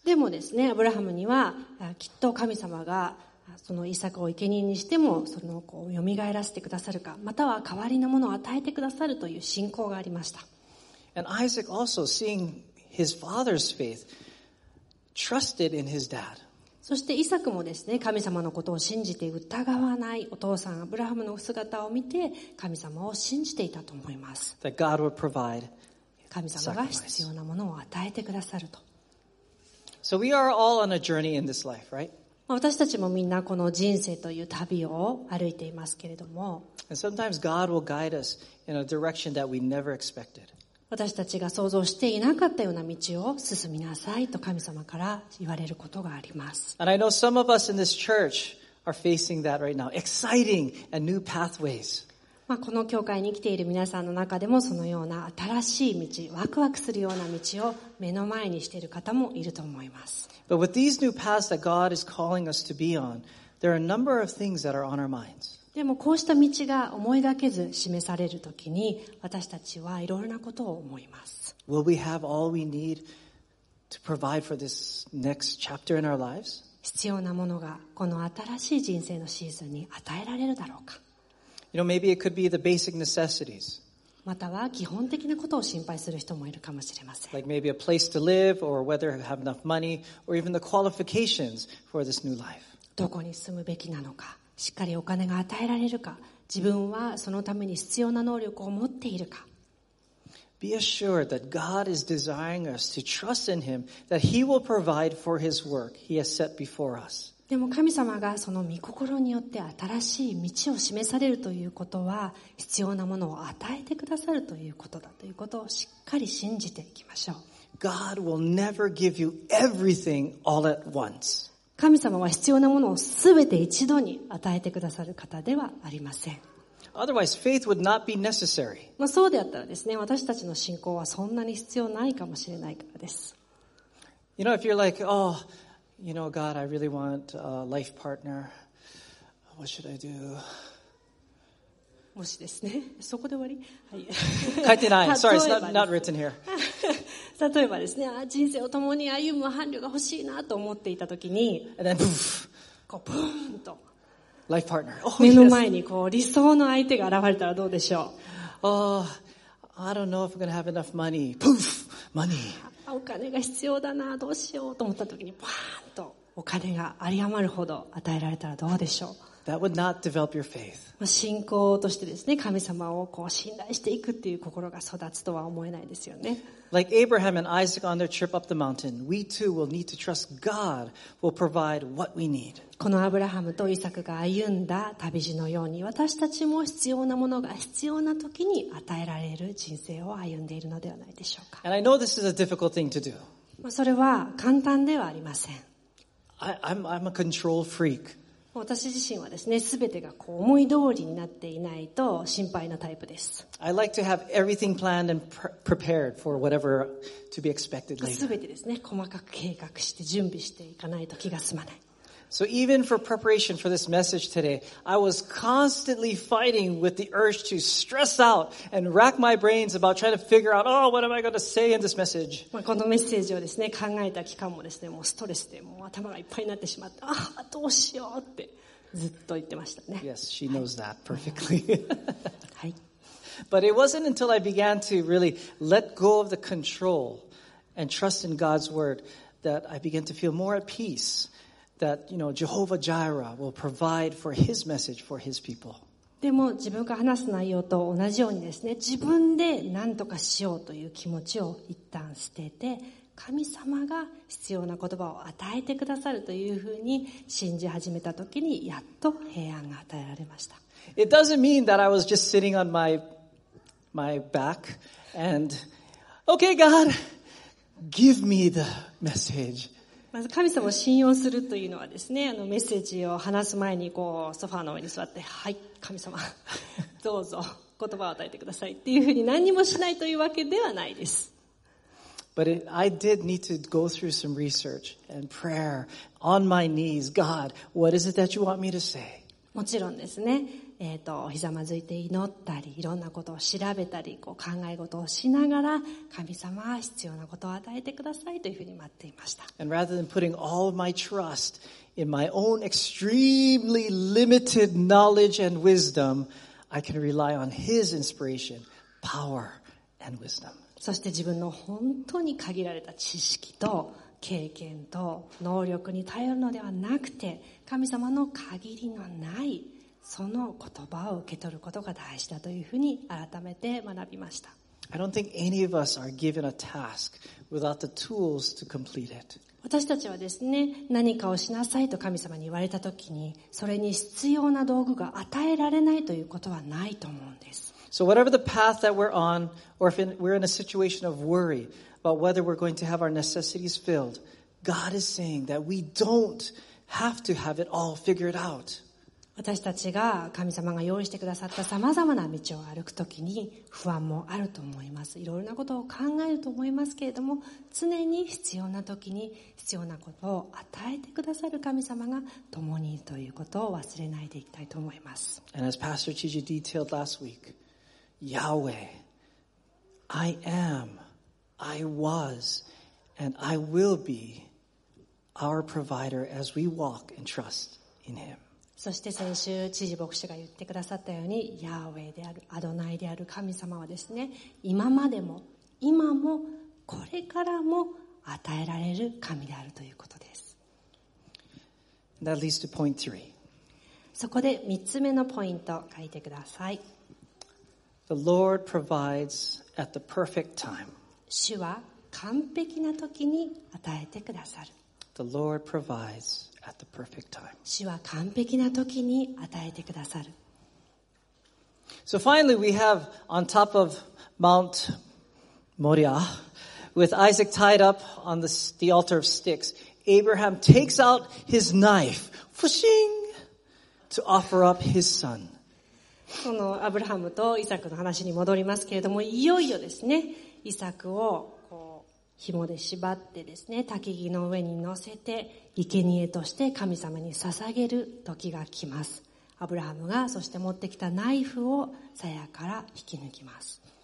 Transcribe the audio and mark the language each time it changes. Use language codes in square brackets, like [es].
[ja] でもですね、アブラハムにはきっと神様がそのイサクを生贄にしてもその子を蘇らせてくださるか、または代わりのものを与えてくださるという信仰がありました。 [en] And Isaac also, seeing his father's faith, trusted in his dad. [ja] そしてイサクもですね、神様のことを信じて疑わないお父さんアブラハムの姿を見て神様を信じていたと思います。 [en] That God would provide [ja] 神様が必要なものを与えてくださると。 [en] So we are all on a journey in this life, right? [ja] 私たちもみんなこの人生という旅を歩いていますけれども、 [en] And sometimes God will guide us in a direction that we never expected. 私たちが想像していなかったような道を進みなさいと神様から言われることがあります。 And I know some of us in this church are facing that right now. Exciting and new pathways. [ja] まあこの教会に来ている皆さんの中でもそのような新しい道、ワクワクするような道を目の前にしている方もいると思います。 [en] But with these new paths that God is calling us to be on, there are a number of things that are on our minds. [ja] でもこうした道が思いがけず示されるときに私たちはいろいろなことを思います。 [en] Will we have all we need to provide for this next chapter in our lives? [ja] 必要なものがこの新しい人生のシーズンに与えられるだろうか。 [en] You know, maybe it could be the basic necessities. [ja] または基本的なことを心配する人もいるかもしれません。 [en] Like maybe a place to live or whether you have enough money or even the qualifications for this new life. [ja] どこに住むべきなのか、しっかりお金が与えられるか、自分はそのために必要な能力を持っているか。 [en] Be assured that God is desiring us to trust in Him, that He will provide for His work He has set before us. [ja] でも神様がその御心によって新しい道を示されるということは、必要なものを与えてくださるということだということをしっかり信じていきましょう。 [en] God will never give you everything all at once. [ja] 神様は必要なものをすべて一度に与えてくださる方ではありません。 [en] Otherwise, faith would not be necessary. [ja] まあそうであったらですね、私たちの信仰はそんなに必要ないかもしれないからです。 [en] You know, if you're like, oh, you know, God, I really want a life partner. What should I do? [ja] もしですね、そこで終わり？はい。書いてない。 [en] Sorry, it's not written here. [ja] 例えばですね、あ、人生を共に歩む伴侶が欲しいなと思っていたときに、 [en] And then, poof. [ja] こうブーンと、 [en] Life partner. [ja] Oh, 目の前にこう、yes. 理想の相手が現れたらどうでしょう。 [en] Oh, I don't know if I'm gonna have enough money. Poof! Money! [ja] お金が必要だな、どうしようと思った時に、パーンとお金が有り余るほど与えられたらどうでしょう。 [en] That would not develop your faith. [ja] 信仰としてですね、神様をこう信頼していくっていう心が育つとは思えないですよね。 [en] Like Abraham and Isaac on their trip up the mountain, we too will need to trust God will provide what we need. [ja] このアブラハムとイサクが歩んだ旅路のように、私たちも必要なものが必要な時に与えられる人生を歩んでいるのではないでしょうか。 [en] And I know this is a difficult thing to do. [ja] それは簡単ではありません。 [en] I'm a control freak. [ja] 私自身はですね、すべてがこう思い通りになっていないと心配なタイプです。 [en] I like to have everything planned and prepared for whatever to be expected later. [ja] すべてですね、細かく計画して準備していかないと気が済まない。 [en] So even for preparation for this message today, I was constantly fighting with the urge to stress out and rack my brains about trying to figure out, oh, what am I going to say in this message? [ja] このメッセージをですね、考えた期間もですね、もうストレスでもう頭がいっぱいになってしまって、ああ、どうしようってずっと言ってましたね。 [en] Yes, she knows that perfectly. [ja] はい。 [en] But it wasn't until I began to really let go of the control and trust in God's word that I began to feel more at peace. That, you know, Jehovah Jireh will provide for his message for his people. [ja] でも自分が話す内容と同じようにですね、自分で何とかしようという気持ちを一旦捨てて、神様が必要な言葉を与えてくださるというふうに信じ始めた時に、やっと平安が与えられました。 [en] It doesn't mean that I was just sitting on my back and, okay, God, give me the message. [ja] まず神様を信用するというのはですね、あのメッセージを話す前にこうソファーの上に座って、はい、神様、どうぞ言葉を与えてくださいっていうふうに何にもしないというわけではないです。 [en] But I did need to go through some research and prayer on my knees. God, what is it that you want me to say? [ja] もちろんですね、ひざまずいて祈ったり、いろんなことを調べたり、こう考え事をしながら、神様は必要なことを与えてくださいというふうに待っていました。 [en] And rather than putting all of my trust in my own extremely limited knowledge and wisdom, I can rely on his inspiration, power, and wisdom. [ja] そして自分の本当に限られた知識と、経験と能力に頼るのではなくて、神様の限りのないその言葉を受け取ることが大事だというふうに改めて学びました。 [en] I don't think any of us are given a task without the tools to complete it. [ja] 私たちはですね、何かをしなさいと神様に言われたときに、それに必要な道具が与えられないということはないと思うんです。 [en] So whatever the path that we're on, or if we're in a situation of worry,About whether we're going to have our necessities filled, God is saying that we don't have to have it all figured out. [ja] 私たちが神様が用意してくださったさまざまな道を歩くときに不安もあると思います。いろいろなことを考えると思いますけれども、常に必要なときに必要なことを与えてくださる神様が共にいるということを忘れないでいきたいと思います。 [en] And as Pastor Chiji detailed last week, Yahweh, I am. I was and I will be our provider as we walk and trust in him. [ja] そして先週知事牧師が言ってくださったように、ヤーウェイである、アドナイである神様はですね、今までも今もこれからも与えられる神であるということです。 [en] That leads to point three. [ja] そこで3つ目のポイント書いてください。 [en] The Lord provides at the perfect time. [ja] 主は完璧な時に与えてくださる。 [en] The Lord provides at the perfect time. [ja] 主は完璧な時に与えてくださる。 [en] So finally we have on top of Mount Moriah, with Isaac tied up on the altar of sticks, Abraham takes out his knife, fushing, to offer up his son. [ja] このアブラハムとイサクの話に戻りますけれども、いよいよですね、イサクをこう紐で縛ってですね、焚き木の上に乗せて生贄として神様に捧げる時が来ます。アブラハムがそして持ってきたナイフを鞘から引き抜きます。